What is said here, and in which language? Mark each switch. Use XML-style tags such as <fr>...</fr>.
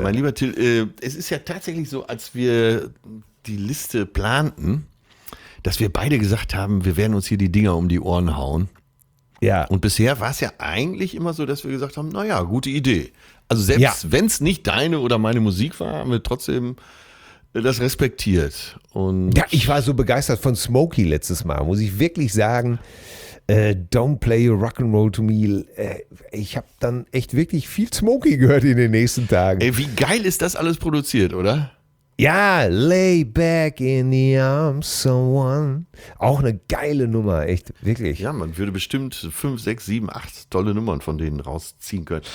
<de>Mein lieber Till, es ist ja tatsächlich so, als wir die Liste planten, dass wir beide gesagt haben, wir werden uns hier die Dinger um die Ohren hauen. Ja. Und bisher war es ja eigentlich immer so, dass wir gesagt haben, naja, gute Idee. Also selbst wenn es nicht deine oder meine Musik war, haben wir trotzdem das respektiert. Und ja, ich war so begeistert von Smokey letztes Mal, muss ich wirklich sagen.</de> <en>Don't play your rock'n'roll to me.</en> <de>Ich habe dann echt wirklich viel Smokey gehört in den nächsten Tagen. Ey, wie geil ist das alles produziert, oder?</de> <en>Ja, lay back in the arms someone.</en> <de>Auch eine geile Nummer, echt, wirklich. Ja, man würde bestimmt 5, 6, 7, 8 tolle Nummern von denen rausziehen können.</de>